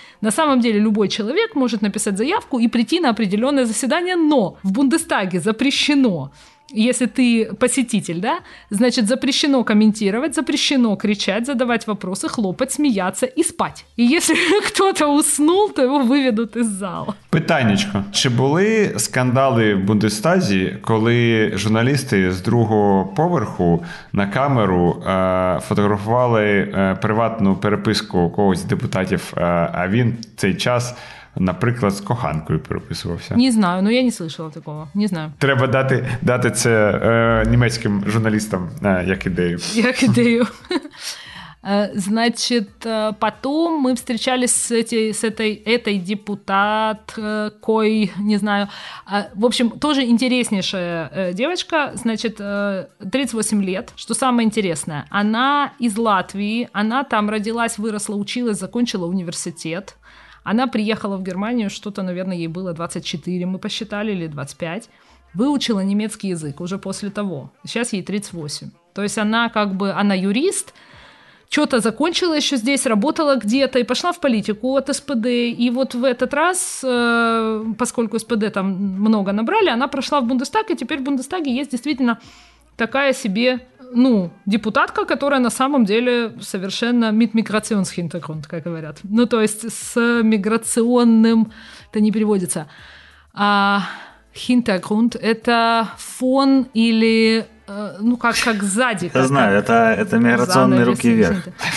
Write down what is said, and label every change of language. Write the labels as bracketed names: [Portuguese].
[Russian] На самом деле любой человек может написать заявку и прийти на определенное заседание, но в Бундестаге запрещено... Если ты посетитель, да, значит, запрещено комментировать, запрещено кричать, задавать вопросы, хлопать, смеяться и спать. И если кто-то уснул, то его выведут из зала. [Ukrainian] Питанечко. Чи були скандали в Бундестазі, коли журналісти з другого поверху на камеру фотографували приватну переписку когось з депутатів, а він цей час... Наприклад, з коханкою переписувався. [Russian] Не знаю, ну я не слышала такого. Не знаю. [Ukrainian] Треба дати це німецьким журналістам як ідею. Як ідею. [Russian] Значит, потом мы встречались с этой депутаткой, не знаю, в общем, тоже интереснейшая девочка, значит, 38 лет, что самое интересное, она из Латвии, она там родилась, выросла, училась, закончила университет. Она приехала в Германию, что-то, наверное, ей было 24, мы посчитали, или 25. Выучила немецкий язык уже после того. Сейчас ей 38. То есть она как бы, она юрист, что-то закончила еще здесь, работала где-то и пошла в политику от СПД. И вот в этот раз, поскольку СПД там много набрали, она прошла в Бундестаг, и теперь в Бундестаге есть действительно такая себе... Ну, депутатка, которая на самом деле совершенно [German] mit Migrationshintergrund, [Russian] как говорят. Ну, то есть с миграционным, это не переводится. А Hintergrund – это фон или, ну, как сзади. Я знаю, это миграционные руки вверх.